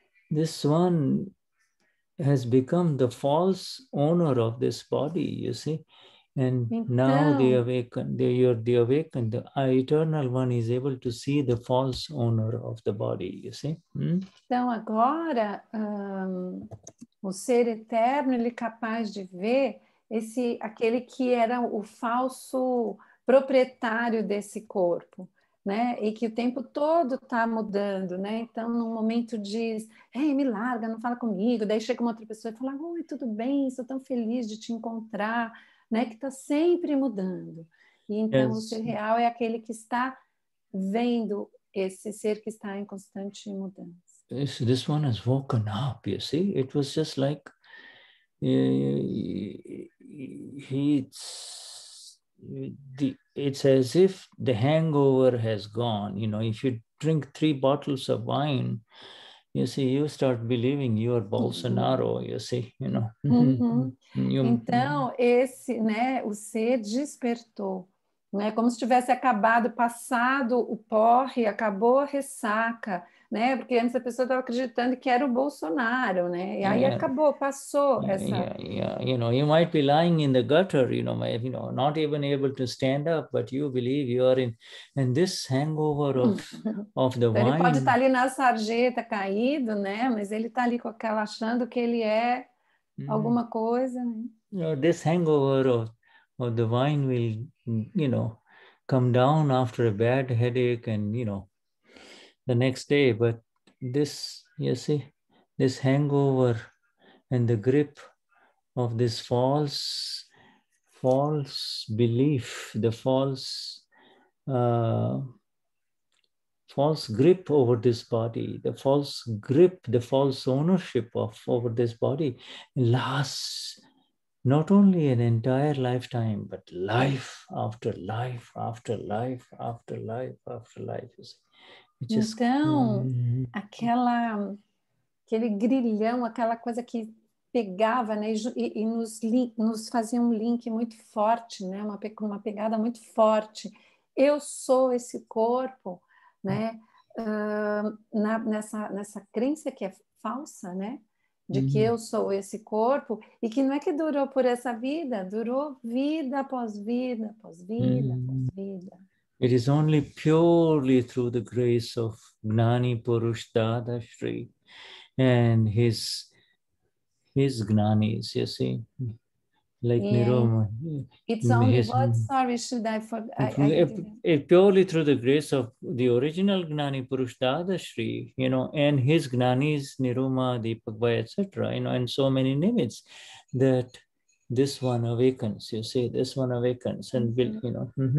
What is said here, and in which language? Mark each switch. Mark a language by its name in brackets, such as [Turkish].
[English] This one has become the false owner of this body, you see. And now the awakened, the eternal one is able to see the false owner of the body, you see? [Portuguese] Então agora, o ser eterno, ele é capaz de ver aquele que era o falso proprietário desse corpo, né? E que o tempo todo está mudando, né? Então, num momento diz, ei, me larga, não fala comigo. Daí chega uma outra pessoa e fala, oi, tudo bem? Estou tão feliz de te encontrar. Né, que está sempre mudando. E então, o ser real é aquele que está vendo esse ser que está em constante mudança. [English] This one has woken up, you see? It was just like it's as if the hangover has gone. You know, if you drink 3 bottles of wine, you see, you start believing you are Bolsonaro, you see, you know. [Portuguese] Então, esse, né, o ser despertou, né, como se tivesse acabado, passado o porre, acabou a ressaca, né, porque antes a pessoa estava acreditando que era o Bolsonaro, né, e aí acabou, passou essa. [English] You know, you might be lying in the gutter, you know, not even able to stand up, but you believe you are in this hangover of the [Portuguese] então, [English] wine. [Portuguese] Ele pode estar ali na sarjeta, caído, né, mas ele está ali com aquela achando que ele é alguma coisa, né? [English] You know, this hangover of the wine will, you know, come down after a bad headache and, you know, the next day. But this, you see, this hangover and the grip of this false, false belief, the false false grip over this body, the false grip, the false ownership of over this body lasts not only an entire lifetime, but life after life after life after life after life. [Portuguese] Então, aquele grilhão, aquela coisa que pegava, né, e nos fazia um link muito forte, né, uma pegada muito forte. Eu sou esse corpo, né, nessa crença que é falsa, né, de que eu sou esse corpo, e que não é que durou por essa vida, durou vida após vida, após vida, após vida. [English] It is only purely through the grace of Gnani Purush Dadashri and his Gnanis, you see, like Niroma. It's only purely through the grace of the original Gnani Purush Dadashri, you know, and his Gnanis, Niruma, Deepakbhai, etc., you know, and so many Nimits, that this one awakens, you see, this one awakens and will, you know.